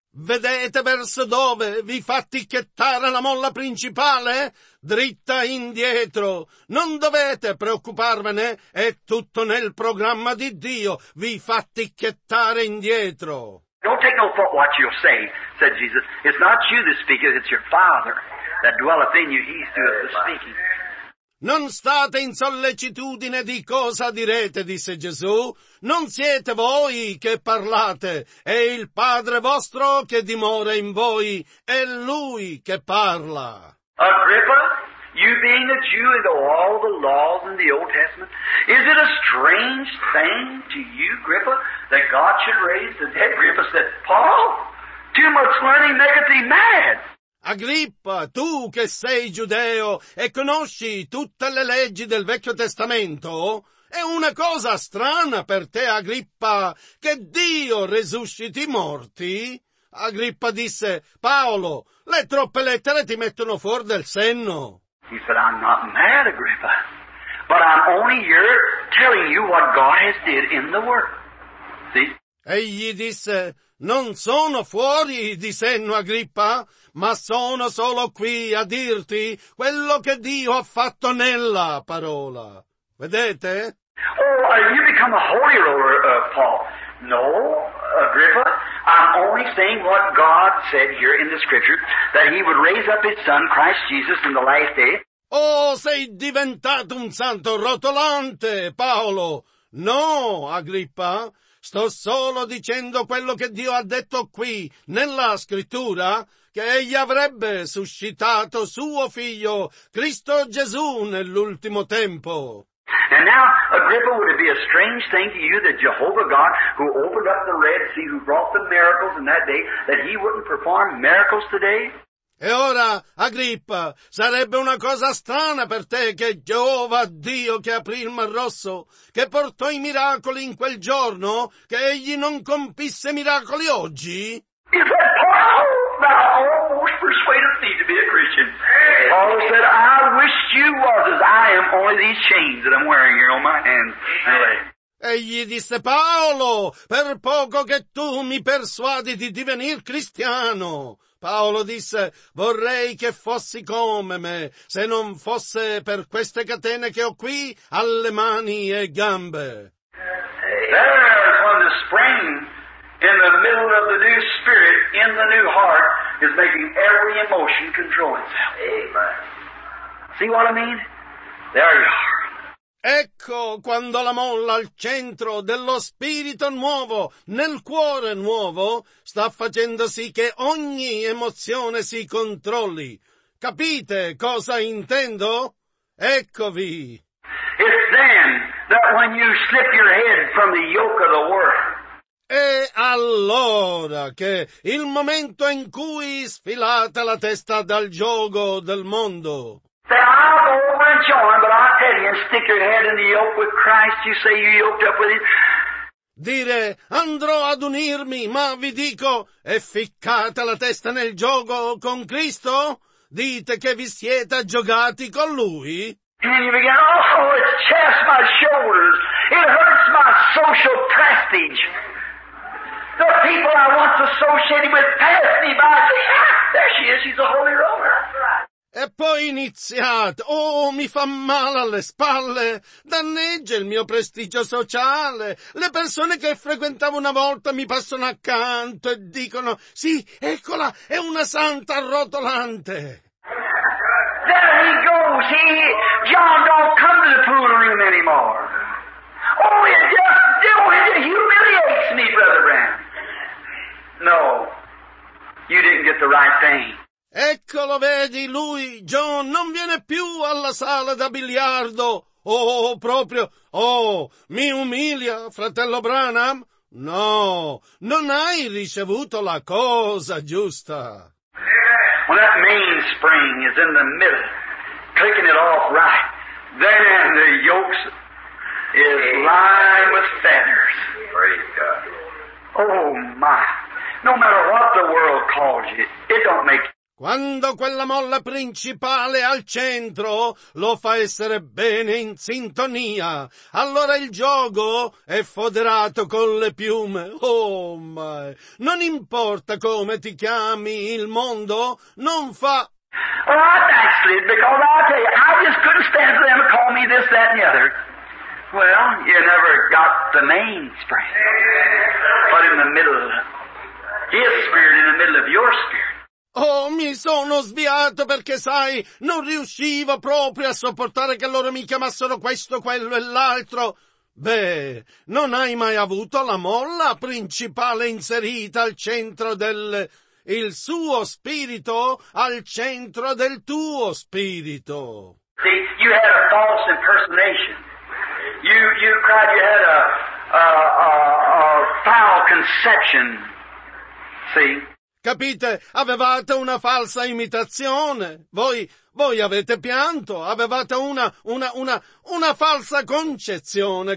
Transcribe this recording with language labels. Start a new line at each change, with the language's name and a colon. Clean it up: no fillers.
Italian: Vedete verso dove vi fa ticchettare la molla principale? Dritta indietro. Non dovete preoccuparvene, è tutto nel programma di Dio. Vi fa ticchettare indietro.
English: Don't take no thought what you'll say, said Jesus. It's not you that speaketh, it's your Father that dwelleth in you. He's doing the speaking.
Italian: Non state in sollecitudine di cosa direte, disse Gesù. Non siete voi che parlate, è il Padre vostro che dimora in voi, è Lui che parla.
English: Agrippa, you being a Jew and know all the laws in the Old Testament, is it a strange thing to you, Agrippa, that God should raise the dead? Agrippa said, Paul, too much learning maketh thee mad.
Italian: Agrippa, tu che sei giudeo e conosci tutte le leggi del Vecchio Testamento, è una cosa strana per te, Agrippa, che Dio resusciti i morti? Agrippa disse, Paolo, le troppe lettere ti mettono fuori del senno.
English: He said, I'm not mad, Agrippa, but I'm only here telling you what God has did in the Word. See?
Italian: Egli disse, non sono fuori di senno, Agrippa, ma sono solo qui a dirti quello che Dio ha fatto nella parola. Vedete?
English: You become a holy roller, Paul. No, Agrippa, I'm only saying what God said here in the Scripture, that he would raise up his son, Christ Jesus, in the last day.
Italian: Oh, sei diventato un santo rotolante, Paolo. No, Agrippa, sto solo dicendo quello che Dio ha detto qui, nella Scrittura, che egli avrebbe suscitato suo figlio, Cristo Gesù, nell'ultimo tempo.
English: And now, Agrippa, would it be a strange thing to you that Jehovah God, who opened up the Red Sea, who brought the miracles in that day, that he wouldn't perform miracles today?
Italian: E ora, Agrippa, sarebbe una cosa strana per te che Geova Dio che aprì il Mar Rosso, che portò i miracoli in quel giorno, che egli non compisse miracoli oggi?
English: He said, Paul, thou almost persuaded thee to be a Christian. Paul said, I wish you was as I am, only these chains that I'm wearing here on my hands.
Italian: Egli disse, Paolo, per poco che tu mi persuadi di divenir cristiano. Paolo disse, vorrei che fossi come me, se non fosse per queste catene che ho qui alle mani e gambe.
English: There's when the spring in the middle of the new spirit in the new heart is making every emotion control itself. Amen. See what I mean? There you are.
Italian: Ecco quando la molla al centro dello spirito nuovo, nel cuore nuovo, sta facendo sì che ogni emozione si controlli. Capite cosa intendo? Eccovi.
English: It's then that when you slip your head from the yoke of the world.
Italian: E allora che il momento in cui sfilate la testa dal giogo del mondo.
English: Say, I'll go over and join, but I tell you, stick your head in the yoke with Christ, you say you yoked up with him.
Italian: Dire, andrò ad unirmi, ma vi dico, è ficcata la testa nel giogo con Cristo? Dite che vi siete giogati con lui?
English: And you begin, oh, it chaps my shoulders, it hurts my social prestige. The people I once associated with pass me by, say, ah, there she is, she's a holy roller. That's right.
Italian: E poi iniziate, oh, mi fa male alle spalle, danneggia il mio prestigio sociale. Le persone che frequentavo una volta mi passano accanto e dicono, sì, eccola, è una santa rotolante.
English: There he goes, he, John don't come to the pool room anymore. Oh, it humiliates me, Brother Brand. No, you didn't get the right thing.
Italian: Eccolo, vedi, lui, John, non viene più alla sala da biliardo. Oh, proprio, oh, mi umilia, fratello Branham? No, non hai ricevuto la cosa giusta.
English: When that mainspring is in the middle, clicking it off right, then the yokes is lined with fetters. Praise God. Oh, my. No matter what the world calls you, it don't make...
Italian: Quando quella molla principale al centro lo fa essere bene in sintonia, allora il giogo è foderato con le piume. Oh, ma non importa come ti chiami, il mondo non fa...
English: Well, I backslid because I tell you, I just couldn't stand for them to call me this, that, and the other. Well, you never got the mainspring. But in the middle of his spirit, in the middle of your spirit,
Italian: oh, mi sono sviato perché, sai, non riuscivo proprio a sopportare che loro mi chiamassero questo, quello e l'altro. Beh, non hai mai avuto la molla principale inserita al centro del... il suo spirito al centro del tuo spirito.
English: See, you had a false impersonation. You cried you had a foul conception. See?
Italian: Capite? Avevate una falsa imitazione. Voi avete pianto. Avevate una falsa concezione.